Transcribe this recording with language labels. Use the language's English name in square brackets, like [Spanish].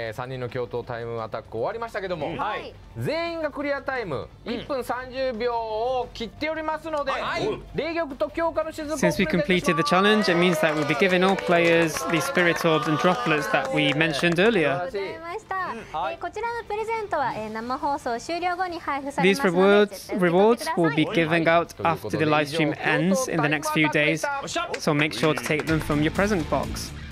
[Japanese] 3人の共闘タイムアタック終わりましたけども、はい、全員がクリアタイム1分30秒を切っておりますので、はい、霊玉と強化の雫を [English] Since we completed the challenge, it means that we'll be giving all players the spirit orbs and droplets that we mentioned earlier. [Japanese] ありがとうございました。こちらのプレゼントは生放送終了後に配布されますので、 [English] These rewards will be given out after the live stream ends in the next few days, so make sure to take them from your present box.